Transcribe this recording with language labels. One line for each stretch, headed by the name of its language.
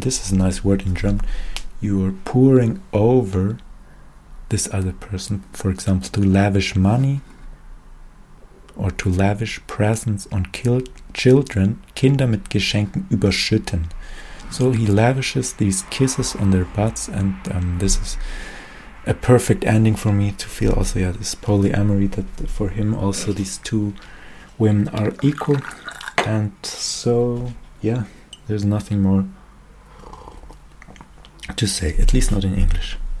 English: This is a nice word in German. You are pouring over this other person. For example, to lavish money or to lavish presents on children.
German: Kinder mit Geschenken überschütten.
English: So he lavishes these kisses on their butts, and this is a perfect ending for me to feel also, yeah, this polyamory, that for him also these two women are equal. And so, yeah, there's nothing more to say, at least not in English.